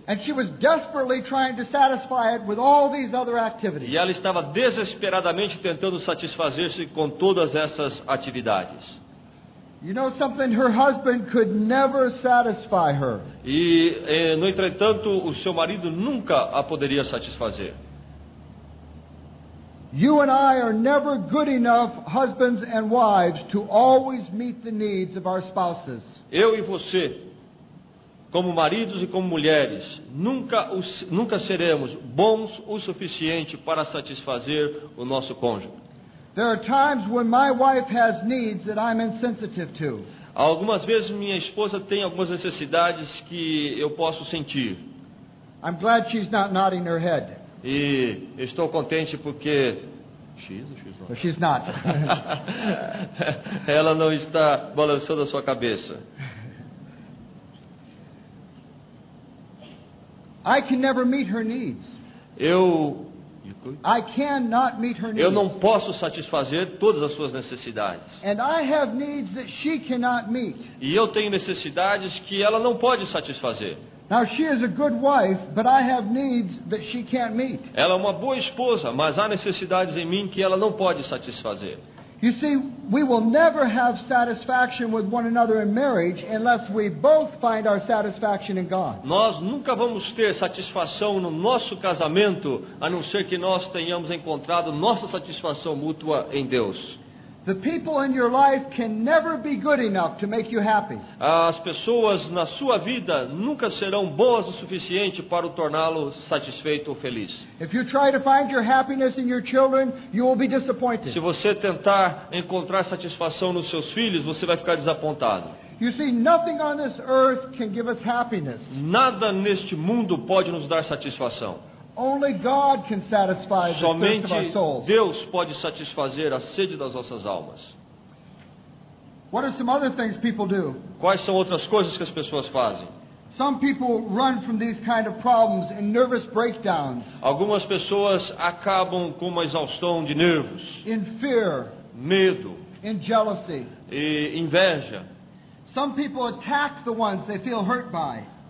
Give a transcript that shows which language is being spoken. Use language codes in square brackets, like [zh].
[en] And she was desperately trying to satisfy it with all these other activities. [pt] E ela estava desesperadamente tentando satisfazer-se com todas essas atividades. [en] You know something, her husband could never satisfy her. [pt] E no entretanto, o seu marido nunca a poderia satisfazer. [en] You and I are never good enough husbands and wives to always meet the needs of our spouses. [pt] Eu e você, como maridos e como mulheres, nunca seremos bons o suficiente para satisfazer o nosso cônjuge. [en] There are times when my wife has needs that I'm insensitive to. [pt] Algumas vezes minha esposa tem algumas necessidades que eu posso sentir. [en] I'm glad she's not nodding her head. [pt] E estou contente porque [en] she's not. [pt] Ela não está balançando a sua cabeça. [en] I can never meet her needs. [pt] Eu físico. [en] I cannot meet her needs. [pt] Eu não posso satisfazer todas as suas necessidades. [en] And I have needs that she cannot meet. [pt] E eu tenho necessidades que ela não pode satisfazer. [en] Now she is a good wife, but I have needs that she can't meet. [pt] Ela é uma boa esposa, mas há necessidades em mim que ela não pode satisfazer. [en] You see, we will never have satisfaction with one another in marriage unless we both find our satisfaction in God. [pt] Nós nunca vamos ter satisfação no nosso casamento a não ser que nós tenhamos encontrado nossa satisfação mútua em Deus. [en] The people in your life can never be good enough to make you happy. [pt] As pessoas na sua vida nunca serão boas o suficiente para o torná-lo satisfeito ou feliz. [en] If you try to find your happiness in your children, you will be disappointed. [pt] Se você tentar encontrar satisfação nos seus filhos, você vai ficar desapontado. [en] You see, nothing on this earth can give us happiness. [pt] Nada neste mundo pode nos dar satisfação. [en] Only God can satisfy the thirst of our souls. [pt] Deus pode satisfazer a sede das nossas almas. [en] What are some other things people do? [pt] Quais são outras coisas que as pessoas fazem? [en] Some people run from these kind of problems in nervous breakdowns. [pt] Algumas pessoas acabam com uma exaustão de nervos. [en] In fear. [pt] Medo. [en] In jealousy. [pt] E inveja. [en] Some people attack the ones they feel hurt by.